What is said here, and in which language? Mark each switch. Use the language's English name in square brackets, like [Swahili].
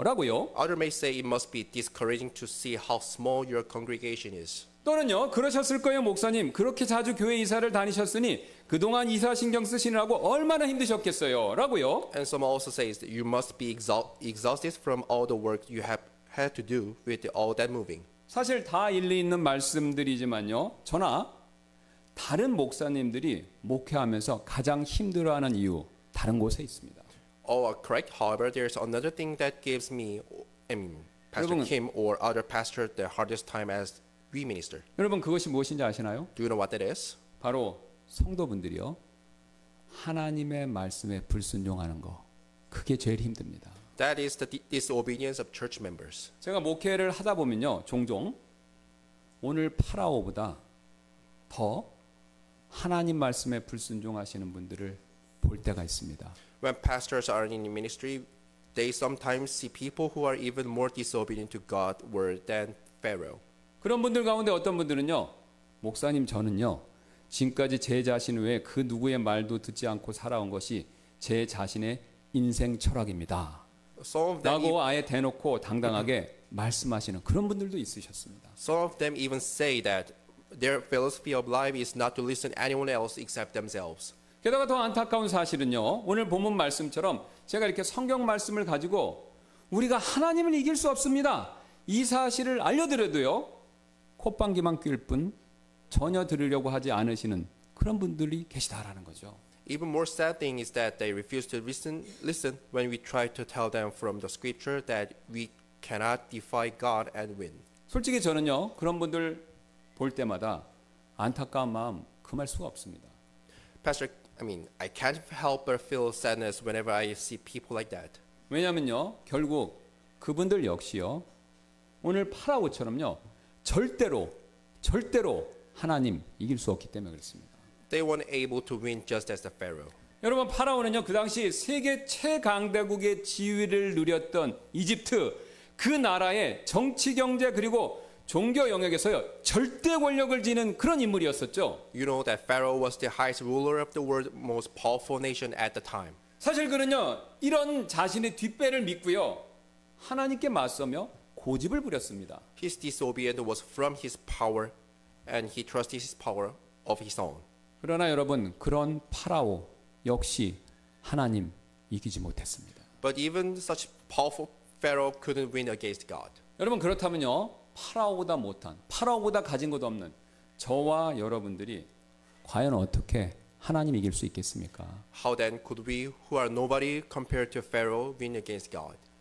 [Korean] 라고요. [English] Others may say it must be discouraging to see how small your congregation is. [Korean] 또는요, 그러셨을 거예요, 목사님. 그렇게 자주 교회 이사를 다니셨으니 그동안 이사 신경 쓰시느라고 얼마나 힘드셨겠어요? 라고요. [English] And some also say you must be exhausted from all the work you have had to do with all that moving. [Korean] 사실 다 일리 있는 말씀들이지만요. 저나 다른 목사님들이 목회하면서 가장 힘들어하는 이유 다른 곳에 있습니다. [English] Oh, correct. However, there's another thing that gives me, Pastor Kim or other pastor, the hardest time as we minister. [Korean] 여러분 그것이 무엇인지 아시나요? [English] Do you know what that is? [Korean] 바로 성도분들이요 하나님의 말씀에 불순종하는 거 그게 제일 힘듭니다. [English] That is the disobedience of church members. [Korean] 제가 목회를 하다 보면요 종종 오늘 파라오보다 더 하나님 말씀에 불순종하시는 분들을 볼 때가 있습니다. [English] When pastors are in ministry, they sometimes see people who are even more disobedient to God's word than Pharaoh. [Korean] 그런 분들 가운데 어떤 분들은요, 목사님 저는요, 지금까지 제 자신 외에 그 누구의 말도 듣지 않고 살아온 것이 제 자신의 인생 철학입니다. 라고 아예 대놓고 당당하게 말씀하시는 그런 분들도 있으셨습니다. [English] Some of them even say that their philosophy of life is not to listen to anyone else except themselves. [Korean] 게다가 더 안타까운 사실은요, 오늘 본문 말씀처럼 제가 이렇게 성경 말씀을 가지고 우리가 하나님을 이길 수 없습니다. 이 사실을 알려드려도요, 콧방귀만 뀌을 뿐 전혀 들으려고 하지 않으시는 그런 분들이 계시다라는 거죠. [English] Even more sad thing is that they refuse to listen when we try to tell them from the scripture that we cannot defy God and win. [Korean] 솔직히 저는요, 그런 분들 볼 때마다 안타까운 마음 금할 수가 없습니다. [English] Pastor, I can't help but feel sadness whenever I see people like that. [Korean] 왜냐면요, 결국 그분들 역시요, 오늘 파라오처럼요, 절대로 하나님 이길 수 없기 때문에 그렇습니다. [English] They weren't able to win just as the Pharaoh. [Korean] 여러분, 파라오는요, 그 당시 세계 최강대국의 지위를 누렸던 이집트, 그 나라의 정치, 경제 그리고 종교 영역에서요 절대 권력을 지닌 그런 인물이었었죠. [English] You know that Pharaoh was the highest ruler of the world, most powerful nation at the time. [Korean] 사실 그는요 이런 자신의 뒷배를 믿고요 하나님께 맞서며 고집을 부렸습니다. [English] His disobedience was from his power, and he trusted his power of his own. [Korean] 그러나 여러분 그런 파라오 역시 하나님 이기지 못했습니다. [English] But even such powerful Pharaoh couldn't win against God. [Korean] 여러분 그렇다면요. 파라오보다 못한, 파라오보다 가진 것도 없는 저와 여러분들이 과연 어떻게 하나님 이길 수 있겠습니까? [English] How then could we who are nobody compared to Pharaoh win against God?